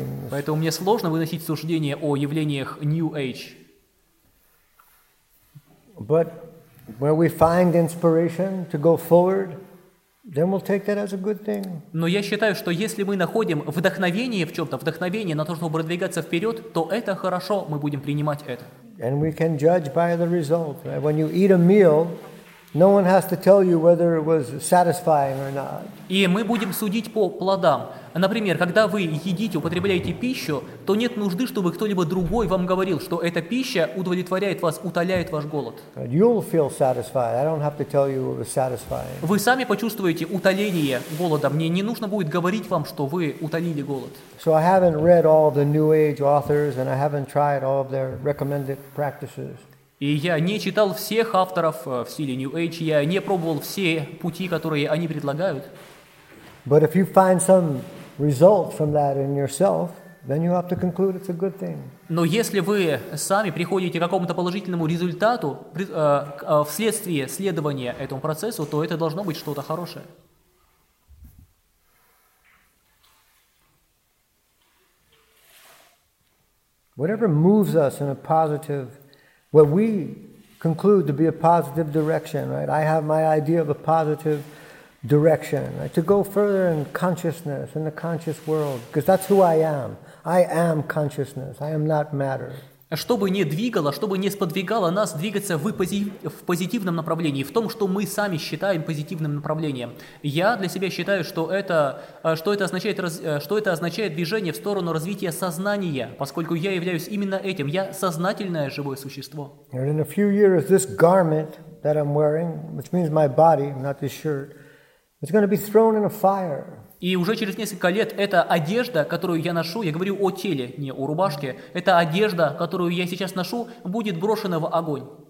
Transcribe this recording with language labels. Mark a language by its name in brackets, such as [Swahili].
[Russian] Поэтому мне сложно выносить суждения о явлениях New Age. [English] But where we find inspiration to go forward, then we'll take that as a good thing. [Russian] Но я считаю, что если мы находим вдохновение в чем-то, вдохновение на то, чтобы продвигаться вперед, то это хорошо, мы будем принимать это. [English] And we can judge by the result. Right? When you eat a meal, no one has to tell you whether it was satisfying or not. [Russian] И мы будем судить по плодам. Например, когда вы едите, употребляете пищу, то нет нужды, чтобы кто-либо другой вам говорил, что эта пища удовлетворяет вас, утоляет ваш голод. [English] You'll feel satisfied. I don't have to tell you it was satisfying. [Russian] Вы сами почувствуете утоление голода. Мне не нужно будет говорить вам, что вы утолили голод. [English] So I haven't read all of the New Age authors, and I haven't tried all of their recommended practices. [Russian] И я не читал всех авторов в стиле New Age, я не пробовал все пути, которые они предлагают. [English] But if you find some result from that in yourself, Then you have to conclude it's a good thing. [Russian] Но если вы сами приходите к какому-то положительному результату вследствие следования этому процессу, то это должно быть что-то хорошее. [English] Whatever moves us in a positive, what we conclude to be a positive direction, right? I have my idea of a positive direction, right? To go further in consciousness, in the conscious world, because that's who I am. I am consciousness. I am not matter. [Russian] Что бы ни двигало, что бы ни сподвигало нас двигаться в позитивном направлении, в том, что мы сами считаем позитивным направлением. Я для себя считаю, что это означает движение в сторону развития сознания, поскольку я являюсь именно этим. Я сознательное живое существо. [English] And in a few years, this garment that I'm wearing, which means my body, not this shirt, it's going to be thrown in a fire. [Russian] И уже через несколько лет эта одежда, которую я ношу, я говорю о теле, не о рубашке, эта одежда, которую я сейчас ношу, будет брошена в огонь.